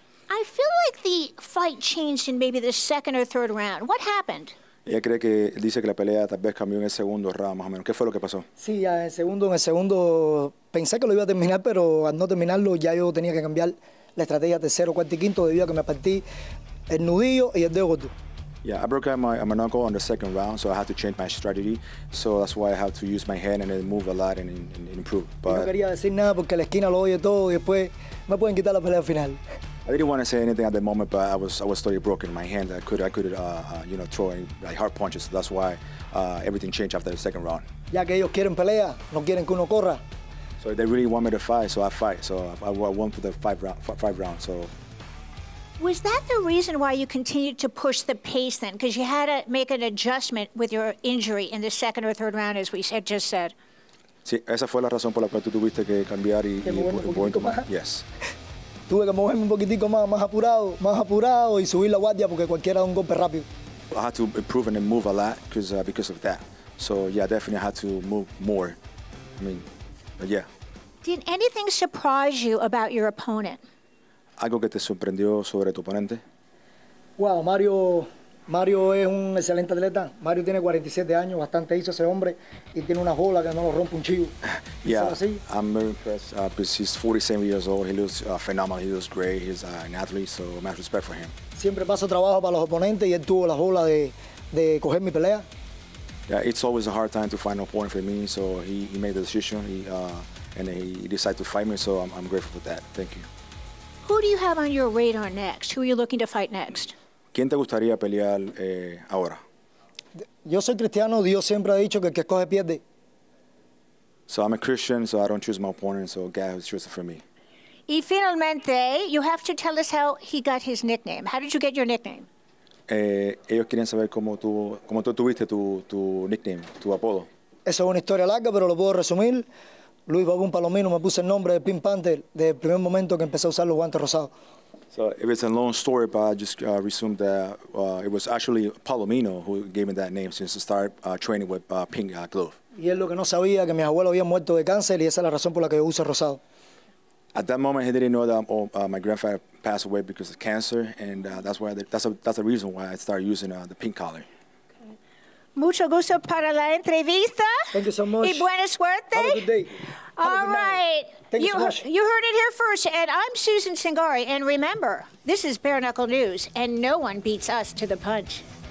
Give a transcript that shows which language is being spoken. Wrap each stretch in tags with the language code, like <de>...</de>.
<en>I feel like the fight changed in maybe the second or third round. What happened?</en> <es>Ella cree que dice que la pelea tal vez cambió en el segundo round, más o menos. ¿Qué fue lo que pasó? Sí, en el segundo pensé que lo iba a terminar, pero al no terminarlo ya yo tenía que cambiar la estrategia tercero, cuarto y quinto debido a que me partí el nudillo y el dedo gordo.</es> <en>Yeah, I broke my knuckle on the second round, so I had to change my strategy. So that's why I had to use my hand and then move a lot and improve.</en> <es>But no quería decir nada porque la esquina lo oye todo y después me pueden quitar la pelea final.</es> <en>I didn't want to say anything at the moment, but I was totally broken in my hand. I could throw any, like hard punches. So that's why everything changed after the second round.</en> <es>Ya que ellos quieren pelea, no quieren que uno corra.</es> <en>So they really want me to fight, so I fight. So I won for the five rounds. So. Was that the reason why you continued to push the pace then? Because you had to make an adjustment with your injury in the second or third round, as we had just said.</en> <es>Sí, esa fue la razón por la cual tú tuviste que cambiar y poner un poco más.</es> <en>Yes.</en> <es>Tuve que moverme un poquitico más apurado y subir la guardia porque cualquiera da un golpe rápido.</es> <en>I had to improve and move a lot because of that. So yeah, definitely I had to move more. Yeah. Did anything surprise you about your opponent?</en> <es>¿Algo que te sorprendió sobre tu oponente? Wow, Mario es un excelente atleta. Mario tiene 47 años, bastante hizo ese hombre y tiene una jola que no lo rompe un chivo. Yeah, así.</es> <en>I'm very impressed because he's 47 years old. He looks phenomenal. He looks great. He's an athlete, so much respect for him.</en> <es>Siempre paso trabajo para los oponentes y él tuvo la jola de coger mi pelea.</es> <en>Yeah, it's always a hard time to find an opponent for me, so he made the decision and he decided to fight me, so I'm grateful for that. Thank you. Who do you have on your radar next? Who are you looking to fight next?</en> <es>¿Quién te gustaría pelear ahora? Yo soy cristiano. Dios siempre ha dicho que el que escoge pierde.</es> <en>So I'm a Christian, so I don't choose my opponent, so God has chosen for me.</en> <es>Y finalmente,</es> <en>you have to tell us how he got his nickname. How did you get your nickname?</en> <es>Ellos quieren saber cómo tú tuviste tu nickname, tu apodo. Esa es una historia larga, pero lo puedo resumir. Luis Babun Palomino me puse el nombre de Pink Panther desde el primer momento que empecé a usar los guantes rosados.</es> <en>So it was a long story, but I just resumed that it was actually Palomino who gave me that name since I started training with Pink Glove.</en> <es>Y él lo que no sabía que mis abuelos habían muerto de cáncer y esa es la razón por la que yo uso el rosado.</es> <en>At that moment, he didn't know that my grandfather passed away because of cancer, and that's the reason why I started using the pink collar.</en> <es>Mucho gusto para la entrevista.</es> <en>Thank you so much.</en> <es>Y buena suerte.</es> <en>Have a good day. All right. Thank you so much. You heard it here first, and I'm Susan Singari. And remember, this is Bare Knuckle News, and no one beats us to the punch.</en>